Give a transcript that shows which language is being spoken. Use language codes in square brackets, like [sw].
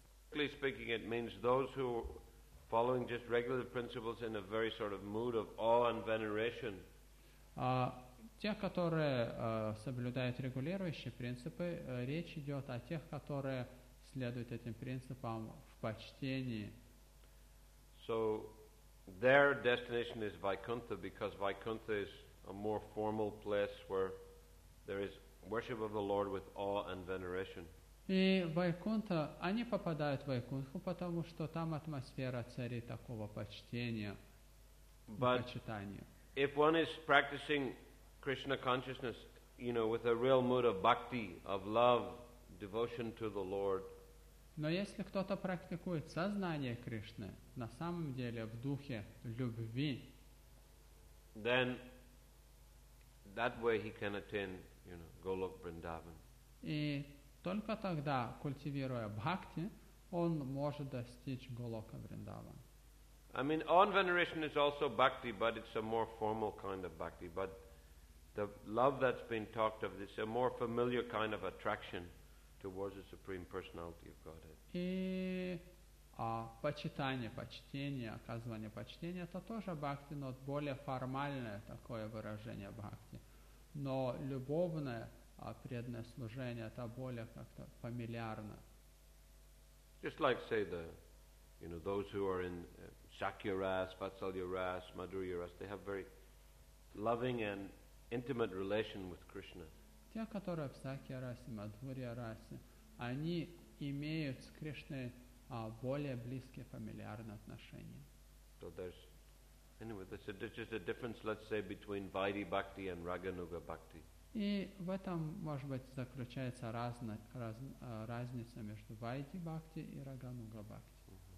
[en] Strictly speaking, it means those who are following just regular principles in a very sort of mood of awe and veneration. [ru] Те, которые соблюдают регулирующие принципы, речь идет о тех, которые следуют этим принципам в почтении. [en] So their destination is Vaikuntha, because Vaikuntha is a more formal place where there is worship of the Lord with awe and veneration. [ru] И Вайкунта, они попадают в Вайкунтху, потому что там атмосфера царит такого почтения, почитания. [en] If one is practicing Krishna consciousness, you know, with a real mood of bhakti, of love, devotion to the Lord. [ru] Но если кто-то практикует сознание Кришны, на самом деле в духе любви, [en] then that way he can attain, you know, Golok Vrindavan. [ru] И только тогда, культивируя бхакти, он может достичь Голока Вриндаван. [en] I mean, on veneration is also bhakti, but it's a more formal kind of bhakti. But the love that's been talked of is a more familiar kind of attraction towards the Supreme Personality of Godhead. [ru] И почитание, почтение, оказывание почтения, это тоже бхакти, но более формальное такое выражение бхакти. Но любовное, а преданное служение, это более как-то фамильярно. [en] Just like, say, the, you know, those who are in Shakya Ras, Vatsalya Ras, Madhurya Ras, they have very loving and intimate relation with Krishna. [ru] Те, которые в Шакья Расе, Мадхурья Расе, они имеют с Кришной более близкие фамильярные отношения. [en] So there's, anyway, there's just a difference, let's say, between Vaidhi Bhakti and Raganuga Bhakti. [ru] И в этом, может быть, заключается разница между Вайди Бхакти и Рагануга Бхакти.